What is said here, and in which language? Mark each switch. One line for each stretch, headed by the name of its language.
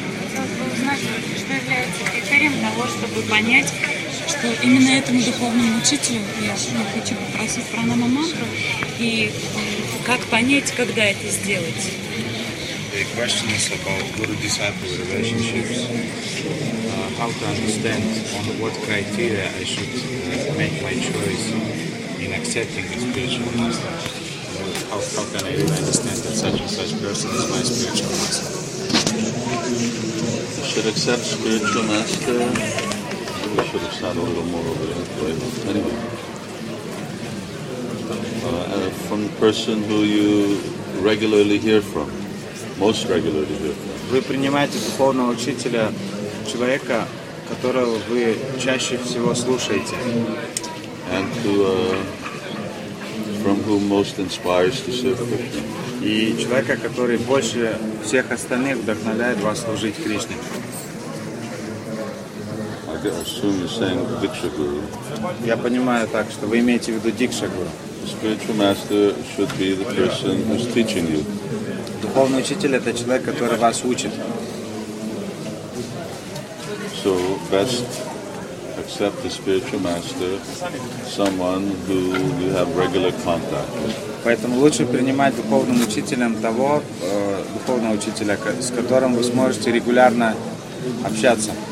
Russian: Хотелось бы узнать, что является критерием того, чтобы понять, что именно этому духовному учителю я хочу попросить пранаму-мантру, и как понять, когда это сделать?
English: The question is about guru-disciple relationships. How to understand on what criteria I should make my choice in accepting a spiritual master? How can I understand that such and such person is my spiritual master? You should accept spiritual master. We should have started a little more over there, but anyway. From the person who you regularly hear from, most regularly hear from.
Russian: Вы принимаете духовного учителя человека, которого вы чаще всего слушаете.
English: And to, from whom most inspires to serve Krishna.
Russian: И человека, который больше всех остальных вдохновляет вас служить Кришне.
English: I assume you're saying Diksha Guru.
Russian: Я понимаю так, что вы имеете в виду Дикша Гуру.
English: The spiritual master should be the person who's teaching you.
Russian: Духовный учитель — это человек, который вас учит.
English: So best accept the spiritual master, someone who you have regular contact with.
Russian: Поэтому лучше принимать духовным учителем того духовного учителя, с которым вы сможете регулярно общаться.